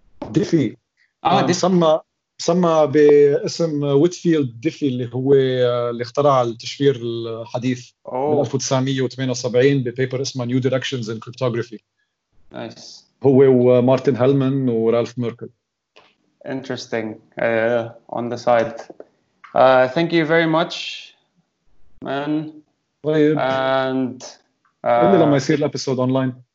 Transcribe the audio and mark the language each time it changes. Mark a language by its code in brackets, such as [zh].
[ar] ديفي سما سمى باسم ويتفيلد ديفي اللي هو اللي اخترع التشفير الحديث من 1978 ببيبر اسمه New Directions in Cryptography [en] nice. [ar] هو ومارتن هلمان ورالف ميركل [en] interesting on the side thank you very much man [ar] طيب. [en] and [ar] قل لي لما يصير الابيسود اونلاين